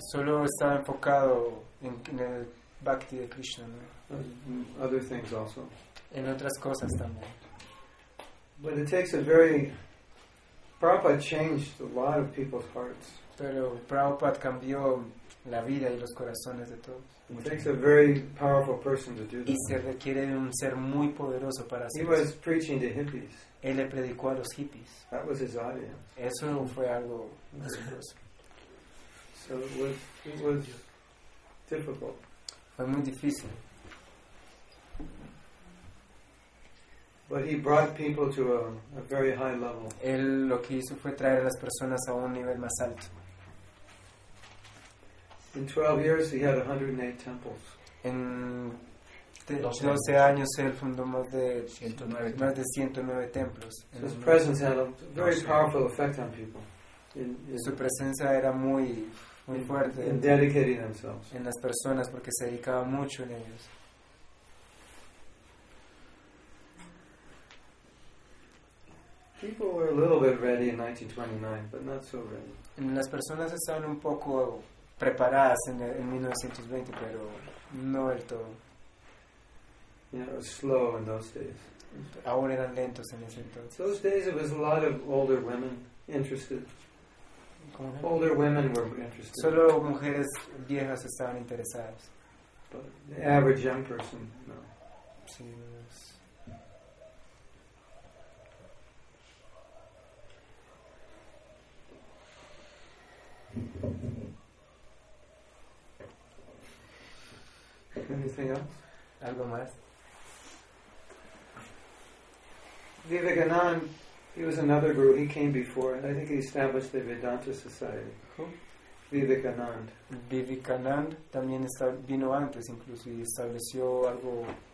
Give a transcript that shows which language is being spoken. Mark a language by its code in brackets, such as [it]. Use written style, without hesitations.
[es] Solo estaba enfocado en el bhakti de Krishna. No? [en] Other things also. [es] En otras cosas también. [en] But it takes a very. Prabhupada changed a lot of people's hearts. [es] Pero Prabhupada cambió la vida y los corazones de todos. [en] It takes a very powerful person to do that. [es] Y se requiere un ser muy poderoso para hacer. [en] He was preaching to hippies. [es] Él le predicó a los hippies. [en] That was his audience. [es] Eso fue algo. [en] So it was difficult. [es] Fue muy difícil. [en] But he brought people to a very high level. [es] Él lo que hizo fue traer a las personas a un nivel más alto. [en] In 12 years he had 108 temples. [es] En 12 años él fundó más de 109 templos. [en] So his presence had a very powerful effect on people. [es] Su presencia era muy muy fuerte en las personas porque se dedicaba mucho en ellos. [en] People were a little bit ready in 1929, but not so ready. [es] En las personas estaban un poco preparadas en 1920, pero no del todo. [en] Yeah, it was slow in those days. [es] Aún eran lentos en ese entonces. [en] Those days it was a lot of older women interested. Older women were interested. [es] Solo mujeres viejas estaban interesadas. [en] But the average young person, no. [es] Sí, yes. [en] Anything else? [es] Algo más. [en] Vivekananda. He was another guru. He came before, and I think he established the Vedanta Society. Who? Vivekananda. [es] Vivekananda también vino antes, incluso, y estableció algo.